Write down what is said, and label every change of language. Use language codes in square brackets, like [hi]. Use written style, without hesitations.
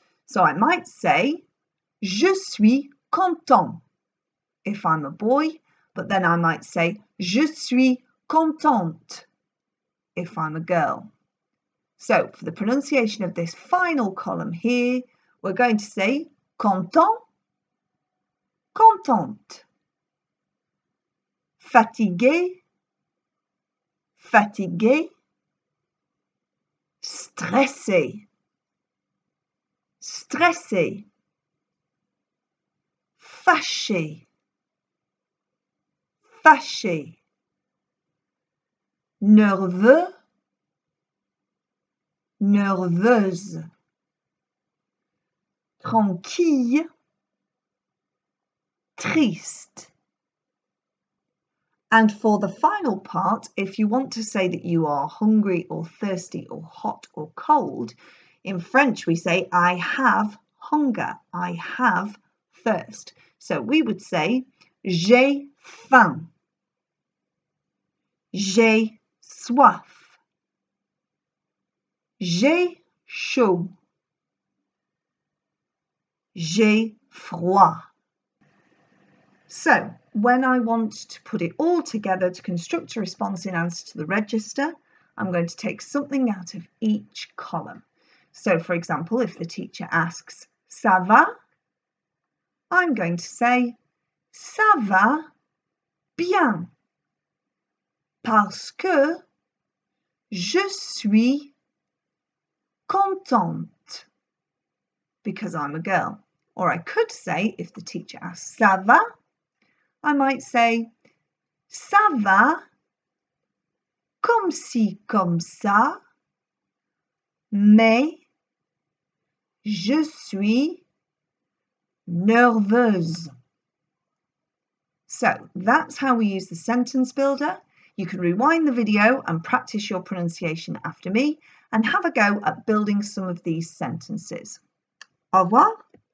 [en] So I might say, [fr] je suis content, [en] if I'm a boy, but then I might say, [fr] je suis contente, [en] if I'm a girl. So for the pronunciation of this final column here, we're going to say, content, contente. [fr] Fatigué, fatigué, stressé, stressé, fâché, fâché, nerveux, nerveuse, tranquille, triste. [en] And for the final part, if you want to say that you are hungry or thirsty or hot or cold, in French we say, I have hunger, I have thirst. [fr] So we would say, j'ai faim, j'ai soif, j'ai chaud, j'ai froid. [en] So, when I want to put it all together to construct a response in answer to the register, I'm going to take something out of each column. So, for example, if the teacher asks, [fr] ça va? [en] I'm going to say, [fr] ça va bien, parce que je suis contente, [en] because I'm a girl. Or I could say, if the teacher asks, [fr] ça va? [en] I might say, [fr] ça va comme ci, comme ça, mais je suis nerveuse. [en] So that's how we use the sentence builder. You can rewind the video and practice your pronunciation after me and have a go at building some of these sentences. [fr] Au revoir.